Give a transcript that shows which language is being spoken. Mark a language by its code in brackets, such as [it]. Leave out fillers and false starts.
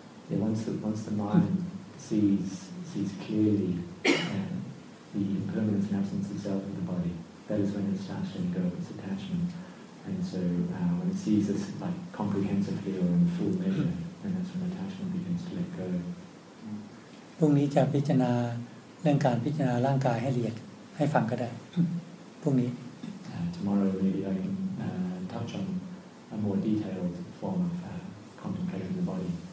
[en] Yeah, once the mind sees clearly the impermanence and absence of self in the body, that is when it starts to go of its attachment. And so when it sees this like comprehensively or in full measure, then that's when attachment begins to let go. [th] พรุ่งนี้จะพิจารณาเรื่องการพิจารณาร่างกายให้ละเอียดให้ฟังก็ได้พรุ่งนี้ [en] Tomorrow maybe I can touch on a more detailed form of contemplating the body.